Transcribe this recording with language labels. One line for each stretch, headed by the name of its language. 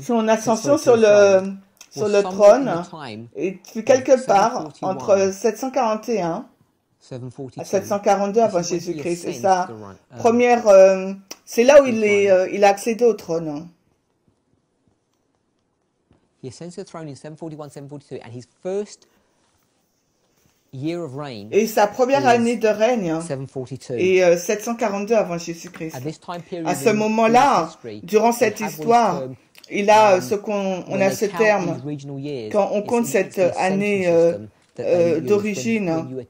French: son ascension sur le trône est quelque part entre 741 à 742 avant Jésus-Christ. Et sa première, c'est là où il a accédé au trône.
English: Il ascend to the throne in 741-742, and his first year of reign.
French: Et sa première année de règne est 742 avant Jésus-Christ. À ce moment-là, durant cette histoire, il a ce qu'on a ce terme quand on compte cette année d'origine.